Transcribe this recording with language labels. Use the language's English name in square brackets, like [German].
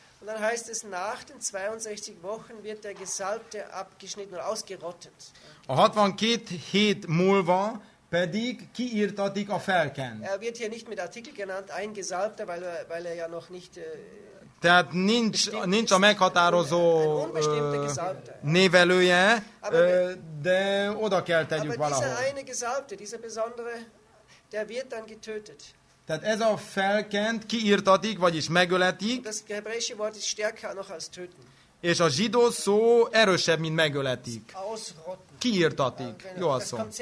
[German] Und dann heißt es, nach den 62 Wochen wird der Gesalbte abgeschnitten oder ausgerottet. [Hungarian] A 62 hét múlva pedig kiirtatik a felkent. [German] Er wird hier nicht mit Artikel genannt, ein Gesalbter, weil er ja noch nicht. [Hungarian] Tehát nincs a meghatározó névelője, de oda kell tegyük valahol. [German] Aber dieser eine Gesalbte, dieser besondere. der wird dann getötet. [Hungarian] Tehát ez a felkent, kiirtatik, vagyis megöletik. [German] Das hebräische Wort ist stärker noch als töten. [Hungarian] És a zsidó szó erősebb, mint megöletik. Kiirtatik. Jó a szó.